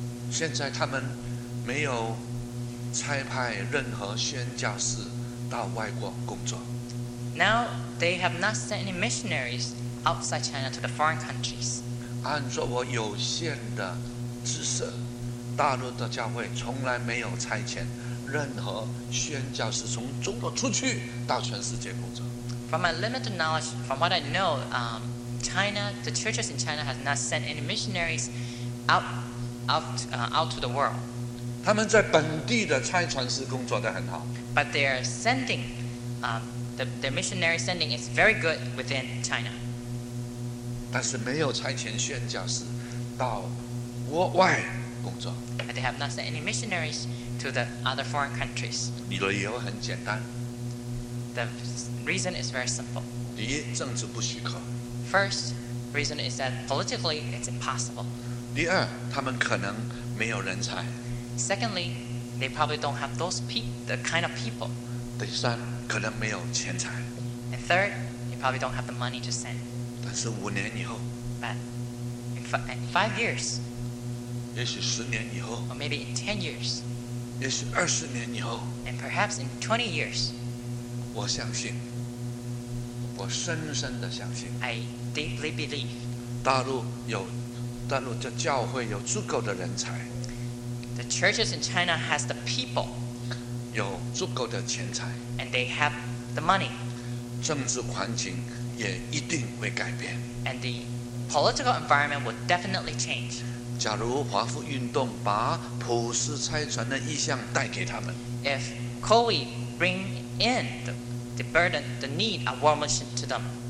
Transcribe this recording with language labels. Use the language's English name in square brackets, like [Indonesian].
[Chinese] 现在他们没有差派任何宣教士到外国工作。 [English] Now they have not sent any missionaries outside China to the foreign countries. [Chinese] 按照我有限的知识，大陆的教会从来没有差遣任何宣教士从中国出去到全世界工作。 [English] From my limited knowledge, from what I know, China, the churches in China has not sent any missionaries out to the world. [Chinese] 他们在本地的差传师工作得很好。 [English] But their sending, their missionary sending is very good within China. [Chinese] 但是没有差遣宣教士到国外工作。 [English] But they have not sent any missionaries to the other foreign countries. [Chinese] 理由很简单。 [English] The reason is very simple. [Chinese] 第一，政治不许可。 [English] First, reason is that politically it's impossible. [Chinese] 第二，他们可能没有人才。 [English] Secondly, they probably don't have the kind of people. [Chinese] 第三，可能没有钱财。 [English] And third, they probably don't have the money to send. [Chinese] 但是五年以后。 [English] But in 5 years. [Chinese] 也许10年以后。 [English] Or maybe in 10 years. [Chinese] 也许20年以后 [English] ，and perhaps in 20 years， [Chinese] 我相信，我深深的相信 [English] ，I deeply believe， [Chinese] 大陆的教会有足够的人才 [English] ，the churches in China has the people， [Chinese] 有足够的钱财 [English] ，and they have the money， [Chinese] 政治环境也一定会改变 [English] ，and the political environment will definitely change。 [Chinese] 假如华富运动把普世差传的意向带给他们 [English] ，If Coley bring in the the burden, the need of war machine to them.